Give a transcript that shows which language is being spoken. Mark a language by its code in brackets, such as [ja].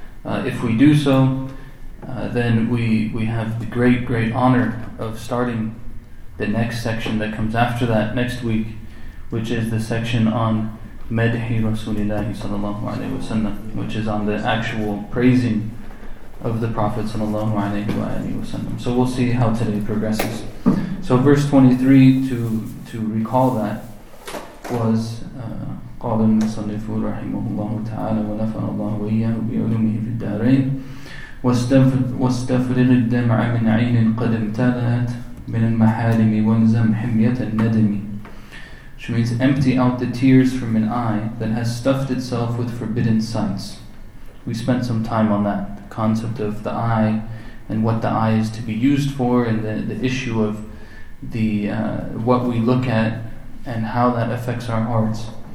[en] If we do so, then we have the great, great honor of starting the next section that comes after that next week, which is the section on madhi Rasulillahi sallallahu alayhi wa sallam, which is on the actual praising of the Prophet sallallahu alayhi wa sallam. So we'll see how today progresses. So verse 23, to recall that, was [ar] قال المصنف رحمه الله تعالى ونفعنا الله وإياه بعلومه في الدارين واستفرغ الدمع من عين قد امتلأت من المحارم وانزم حمية الندم. [en] Which means empty out the tears from an eye that has stuffed itself with forbidden sights. We spent some time on that concept of the eye and what the eye is to be used for, and the issue of the what we look at and how that affects our hearts.